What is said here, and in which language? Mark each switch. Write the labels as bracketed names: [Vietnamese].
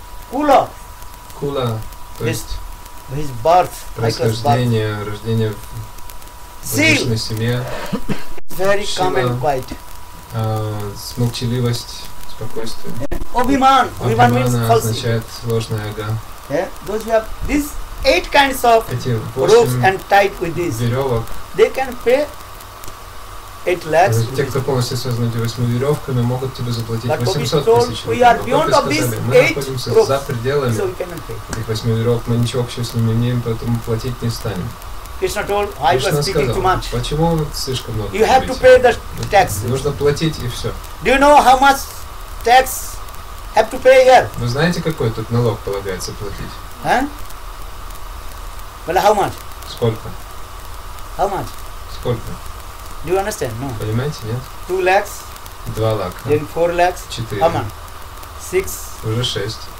[Russian] Кула. Кула. То [English] this [Russian] есть [English] his birth, [Russian] происхождение, [English] high class birth. [Russian] Рождение в различной семье. [English] Very calm and quiet. [Russian] Молчаливость, спокойствие. Обиман. Обиман означает ложное эго. [English] Those who have these 8 kinds of ropes and tied with this [Russian] веревок, [English] they can pay 8 lakhs. [Russian] Те, кто полностью связаны с 8 веревками, могут тебе заплатить 800 тысяч. [English] We are beyond of these 8 ropes. [Russian] За пределами [English] so [Russian] 8 веревок, мы ничего общего с ними не имеем, поэтому платить не станем. [English] Krishna told, I was speaking too much. [Russian] Почему слишком много? [English] You have to pay the tax. [Russian] Нужно платить и все. [English] Do you know how much tax have to pay here? [Russian] Вы знаете, какой тут налог полагается платить? [English] Huh? Well, how much? [Russian] Сколько? [English] How much? [Russian] Сколько? [English] Do you understand? No. [Russian] Понимаете, нет? [English] 2 lakhs. [Russian] 2 лакха. [English] Then 4 lakhs. [Russian] 4. [English] How much? 6. [Russian] Уже 6.